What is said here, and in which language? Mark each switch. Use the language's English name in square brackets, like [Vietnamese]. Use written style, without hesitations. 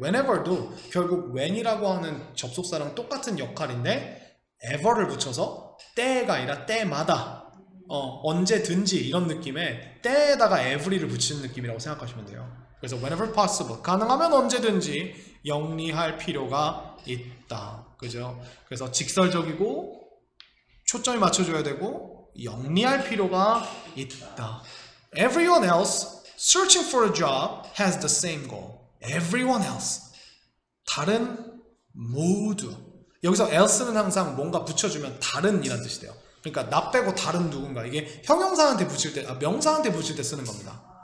[Korean] Whenever도 결국 when이라고 하는 접속사랑 똑같은 역할인데 ever를 붙여서 때가 아니라 때마다 언제든지 이런 느낌의 때에다가 every를 붙이는 느낌이라고 생각하시면 돼요. 그래서 whenever possible, 가능하면 언제든지 영리할 필요가 있다. 그죠? 그래서 직설적이고 초점이 맞춰줘야 되고 영리할 필요가 있다. [English] Everyone else searching for a job has the same goal. Everyone else. [Korean] 다른 모두. 여기서 else는 항상 뭔가 붙여주면 다른 이란 뜻이 돼요. 그러니까 나 빼고 다른 누군가. 이게 형용사한테 붙일 때, 명사한테 붙일 때 쓰는 겁니다.